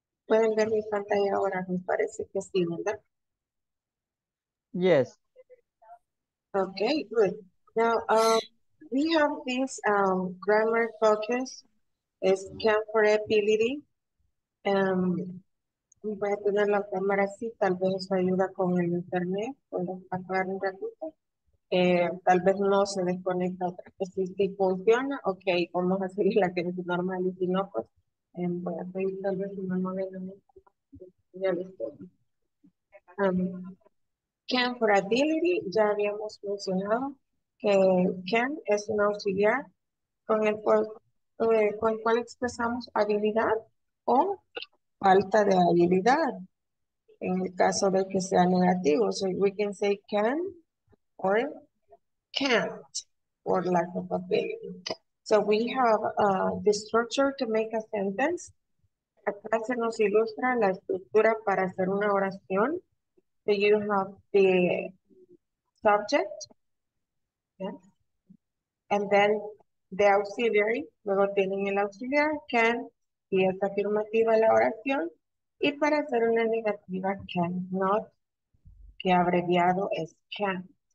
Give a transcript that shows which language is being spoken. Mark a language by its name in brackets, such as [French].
[Spanish] Pueden ver mi pantalla ahora, me parece que sí, ¿verdad? [English] Yes. Okay, good. Now, we have this grammar focus, scan for ability. [Spanish] Voy a tener la cámara así, tal vez eso ayuda con el internet. Puedo apagar un ratito. Tal vez no se desconecta otra vez. Si funciona, ok, vamos a seguir la que es normal y si no, pues voy a pedir tal vez una novena. Ya lo estoy. [English] Can for ability, [Spanish] ya habíamos mencionado que can es un auxiliar con el cual expresamos habilidad o falta de habilidad en el caso de que sea negativo. [English] So we can say can or can't for lack of ability. So we have the structure to make a sentence. [Spanish] Acá se nos ilustra la estructura para hacer una oración. [English] So you have the subject, yes, and then the auxiliary, [Spanish] luego tienen el auxiliar, can, y es afirmativa la oración, y para hacer una negativa, can not, que abreviado es can.